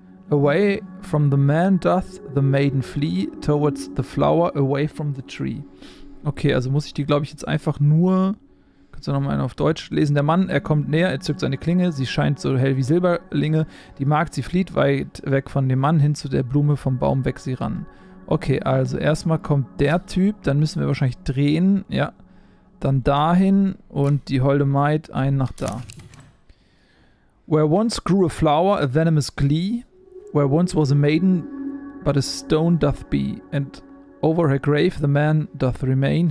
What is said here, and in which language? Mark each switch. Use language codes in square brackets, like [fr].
[en] Away from the man doth the maiden flee, towards the flower, away from the tree. [de] Okay, also muss ich die, glaube ich, jetzt einfach nur... Kannst du nochmal eine auf Deutsch lesen? Der Mann, er kommt näher, er zückt seine Klinge, sie scheint so hell wie Silberlinge. Die Magd, sie flieht weit weg von dem Mann hin zu der Blume, vom Baum weg sie ran. Okay, also erstmal kommt der Typ, dann müssen wir wahrscheinlich drehen, ja. Dann dahin und die holde Maid ein nach da. [en] Where once grew a flower, a venomous glee. Where once was a maiden, but a stone doth be. And over her grave the man doth remain.